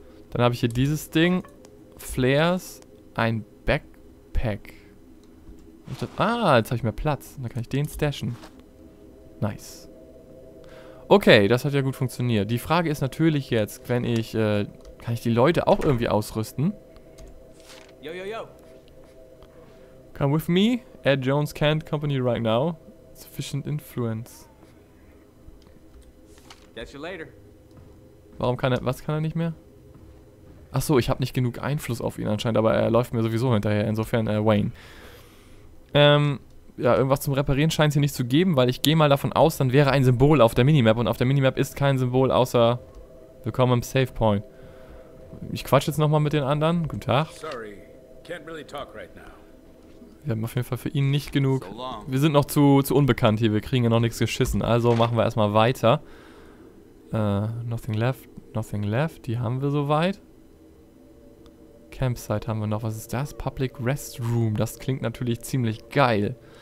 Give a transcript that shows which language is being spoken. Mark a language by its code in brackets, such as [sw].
[de] Dann habe ich hier dieses Ding. Flares. Ein Pack. Ah, jetzt habe ich mehr Platz. Dann kann ich den stashen. Nice. Okay, das hat ja gut funktioniert. Die Frage ist natürlich jetzt, wenn ich... kann ich die Leute auch irgendwie ausrüsten? [en] Yo, yo, yo. Come with me. Ed Jones can't company right now. Sufficient influence. Catch you later. [de] Warum kann er, was kann er nicht mehr? Achso, ich habe nicht genug Einfluss auf ihn anscheinend, aber er läuft mir sowieso hinterher, insofern Wayne. Ja, irgendwas zum Reparieren scheint es hier nicht zu geben, weil ich gehe mal davon aus, dann wäre ein Symbol auf der Minimap und auf der Minimap ist kein Symbol außer Willkommen im Safe Point. Ich quatsch jetzt nochmal mit den anderen. Guten Tag. [en] Sorry, can't really talk right now. [de] Wir haben auf jeden Fall für ihn nicht genug. So long. Wir sind noch zu unbekannt hier, wir kriegen ja noch nichts geschissen, also machen wir erstmal weiter. [en] Nothing left, [de] die haben wir soweit. Campsite haben wir noch. Was ist das? Public Restroom. Das klingt natürlich ziemlich geil.